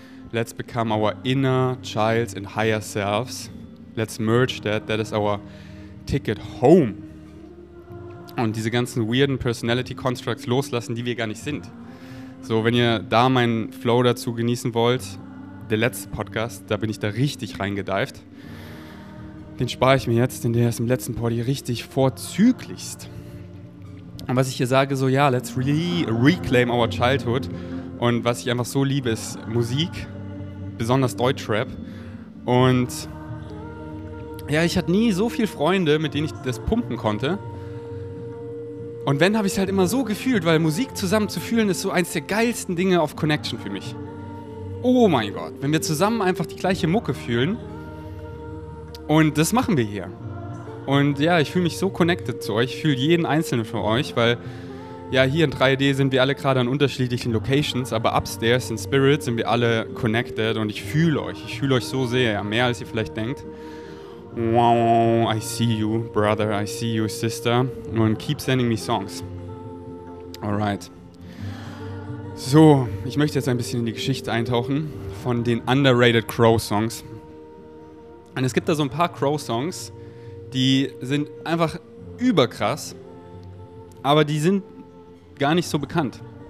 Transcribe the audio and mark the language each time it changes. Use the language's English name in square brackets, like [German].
[English] Let's become our inner child and higher selves. Let's merge that. That is our ticket home. [German] Und diese ganzen weirden Personality Constructs loslassen, die wir gar nicht sind. So, wenn ihr da meinen Flow dazu genießen wollt, der letzte Podcast, da bin ich da richtig reingedived. Den spare ich mir jetzt, denn der ist im letzten Podi richtig vorzüglichst. Und was ich hier sage, so ja, [English] let's reclaim our childhood. [German] Und was ich einfach so liebe, ist Musik, besonders Deutschrap. Und ja, ich hatte nie so viele Freunde, mit denen ich das pumpen konnte. Und wenn, habe ich es halt immer so gefühlt, weil Musik zusammen zu fühlen ist so eins der geilsten Dinge auf Connection für mich. Oh mein Gott, wenn wir zusammen einfach die gleiche Mucke fühlen. Und das machen wir hier. Und ja, ich fühle mich so connected zu euch, ich fühle jeden Einzelnen von euch, weil ja, hier in 3D sind wir alle gerade an unterschiedlichen Locations, aber upstairs in Spirit sind wir alle connected und ich fühle euch. Ich fühle euch so sehr, ja, mehr als ihr vielleicht denkt. [English] Wow, I see you, brother, I see you, sister. [German] Und [English] keep sending me songs. Alright. [German] So, ich möchte jetzt ein bisschen in die Geschichte eintauchen von den underrated Crow-Songs. Und es gibt da so ein paar Crow-Songs, die sind einfach überkrass, aber die sind gar nicht so bekannt.